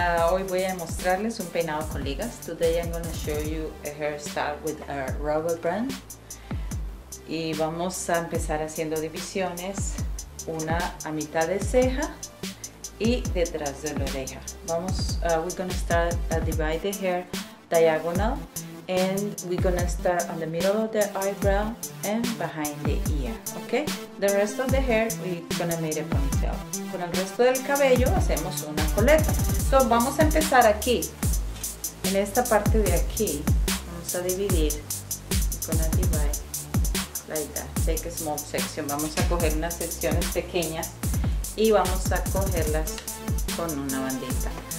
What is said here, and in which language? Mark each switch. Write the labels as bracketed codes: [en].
[es] Hoy voy a mostrarles un peinado con ligas. [en] Today I'm going to show you a hairstyle with a rubber band. [es] Y vamos a empezar haciendo divisiones, una a mitad de ceja y detrás de la oreja. [en] We're going to start a divide the hair diagonal and we're going to start on the middle of the eyebrow and behind the ear, okay? The rest of the hair we're going to make a ponytail. [es] Con el resto del cabello hacemos una coleta. So, vamos a empezar aquí. En esta parte de aquí vamos a dividir. [en] We're going to divide like that. Take a small section. [es] Vamos a coger unas secciones pequeñas y vamos a cogerlas con una bandita.